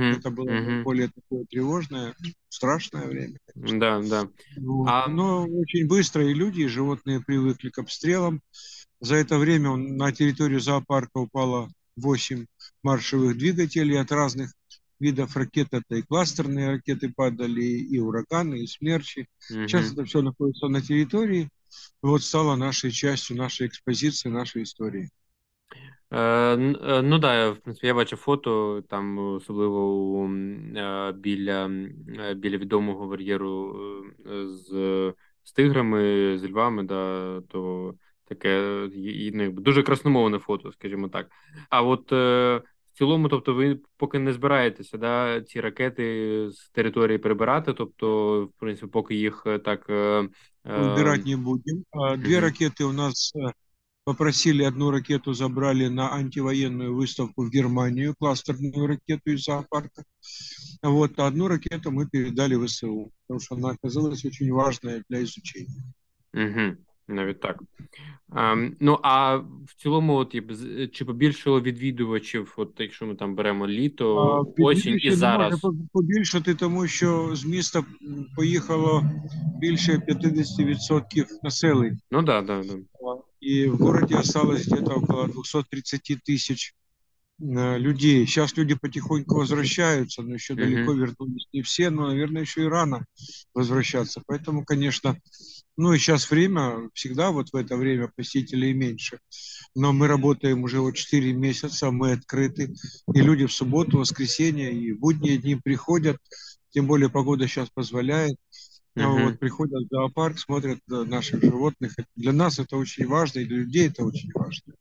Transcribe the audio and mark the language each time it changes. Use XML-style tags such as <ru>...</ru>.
<uk>Це було більш таке тривожне, страшне</uk> <ru>время, конечно. Да, да. Вот. Но очень быстро и люди, и животные привыкли к обстрелам. За это время на территорию зоопарка упало 8 маршевых двигателей от разных видов ракет. Это и кластерные ракеты падали, и ураганы, и смерчи. Сейчас это все находится на территории. Вот стало нашей частью, нашей экспозиции, нашей истории.</ru> <uk>Ну да, в принципі, я бачу фото там, особливо біля відомого бар'єру з тиграми, з львами, да, то таке дуже красномовне фото, скажімо так. А от в цілому, тобто, ви поки не збираєтеся, да, ці ракети з території прибирати, тобто, в принципі, поки їх так.</uk> <ru>Убирать не будем. Две ракеты у нас попросили, одну ракету забрали на антивоенную выставку в Германию, кластерную ракету из зоопарка. Вот, а одну ракету мы передали в ВСУ, потому что она оказалась очень важной для изучения.</ru> <uk>Навіть так. Ну, а в цілому, от, чи побільшало відвідувачів, от якщо ми там беремо літо, осінь і Не може зараз? побільшати, тому що з міста поїхало більше 50% населення. Ну, да. І в місті залишилось десь около 230 тисяч людей. Зараз люди потихоньку повертаються, але ще далеко повернулися не всі, але, мабуть, ще й рано повертатися. Тому, звісно, ну і зараз час, завжди</uk> <ru>вот в це время посетителей</ru> <uk>менше.</uk> <ru>Но мы работаем уже вот 4 месяца, мы открыты, и люди в субботу, воскресенье и будние дни приходят, тем более погода сейчас позволяет, вот приходят в зоопарк, смотрят наших животных. Для нас это очень важно, и для людей это очень важно.</ru>